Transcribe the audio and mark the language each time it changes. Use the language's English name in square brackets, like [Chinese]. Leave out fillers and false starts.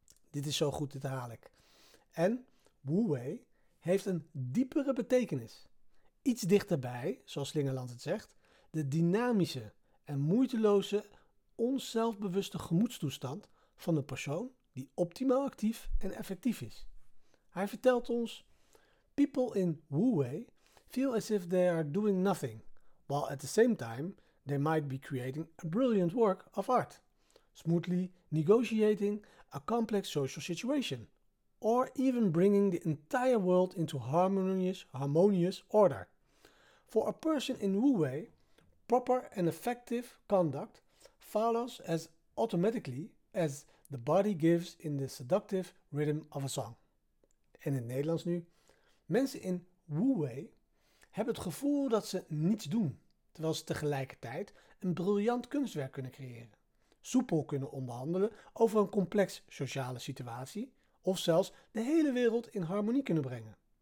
[Dutch] Dit is zo goed, dit herhaal ik. En Wu Wei heeft een diepere betekenis. Iets dichterbij, zoals Slingerland het zegt, de dynamische en moeiteloze, onzelfbewuste gemoedstoestand van de persoon die optimaal actief en effectief is. Hij vertelt ons: [English] people in Wu Wei feel as if they are doing nothing, while at the same time they might be creating a brilliant work of art, smoothly negotiating a complex social situation, or even bringing the entire world into harmonious order. For a person in Wu Wei, proper and effective conduct follows as automatically as the body gives in the seductive rhythm of a song. [Dutch] En in het Nederlands nu. Mensen in Wu Wei hebben het gevoel dat ze niets doen, terwijl ze tegelijkertijd een briljant kunstwerk kunnen creëren, soepel kunnen onderhandelen over een complex sociale situatie of zelfs de hele wereld in harmonie kunnen brengen.